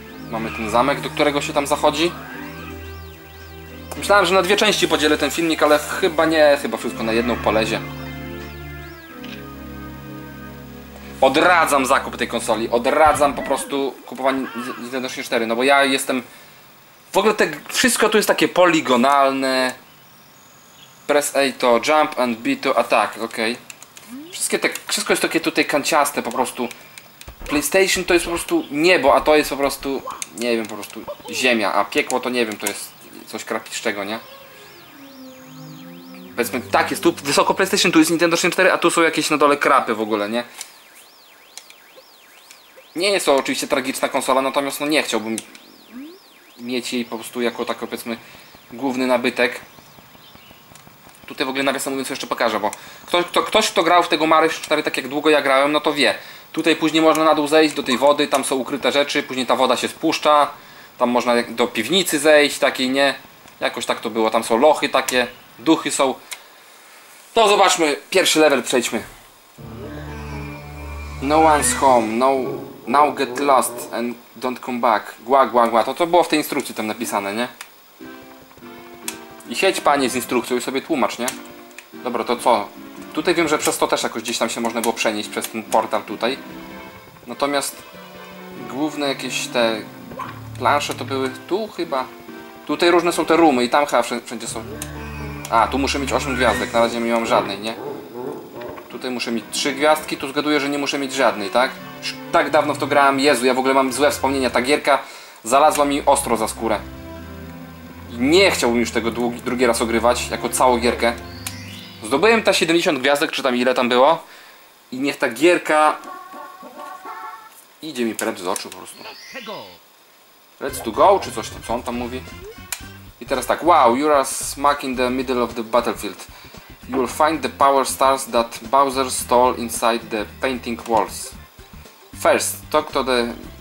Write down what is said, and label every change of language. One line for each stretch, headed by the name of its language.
Polish: Mamy ten zamek, do którego się tam zachodzi. Myślałem, że na dwie części podzielę ten filmik, ale chyba nie, chyba wszystko na jedną polezie. Odradzam zakup tej konsoli, odradzam po prostu kupowanie Nintendo 64, no bo ja jestem... W ogóle te, wszystko tu jest takie poligonalne.
English: Press A to jump and B to attack, ok.
Polish: Wszystko jest takie tutaj kanciaste po prostu. PlayStation to jest po prostu niebo, a to jest po prostu, nie wiem, po prostu ziemia, a piekło to nie wiem, to jest coś krapiszczego, nie? Powiedzmy, tak jest, tu wysoko PlayStation, tu jest Nintendo 64, a tu są jakieś na dole krapy w ogóle, nie? Nie jest to oczywiście tragiczna konsola, natomiast no nie chciałbym mieć jej po prostu jako tak, powiedzmy, główny nabytek. Tutaj w ogóle nawiasem mówiąc jeszcze pokażę, bo ktoś kto grał w tego Mario 4 tak jak długo ja grałem, no to wie. Tutaj później można na dół zejść do tej wody, tam są ukryte rzeczy, później ta woda się spuszcza. Tam można do piwnicy zejść, takiej nie. Jakoś tak to było, tam są lochy takie, duchy są. To zobaczmy, pierwszy level przejdźmy.
English: No one's home, no, now get lost and don't come back.
Polish: Gła, gła, gła, to było w tej instrukcji tam napisane, nie? I siedź panie z instrukcją i sobie tłumacz, nie? Dobra, to co? Tutaj wiem, że przez to też jakoś gdzieś tam się można było przenieść przez ten portal tutaj. Natomiast główne jakieś te plansze to były tu chyba. Tutaj różne są te roomy i tam chyba wszędzie są. A, tu muszę mieć 8 gwiazdek, na razie nie mam żadnej, nie? Tutaj muszę mieć 3 gwiazdki, tu zgaduję, że nie muszę mieć żadnej, tak? Już tak dawno w to grałem, Jezu, ja w ogóle mam złe wspomnienia, ta gierka zalazła mi ostro za skórę. Nie chciałbym już tego drugi raz ogrywać, jako całą gierkę. Zdobyłem te 70 gwiazdek, czy tam ile tam było. I niech ta gierka... Idzie mi precz z oczu po prostu.
English: Let's to go,
Polish: czy coś tam, co on tam mówi. I teraz tak,
English: wow, you're a smack in the middle of the battlefield. You'll find the power stars that Bowser stole inside the painting walls. First, talk to the...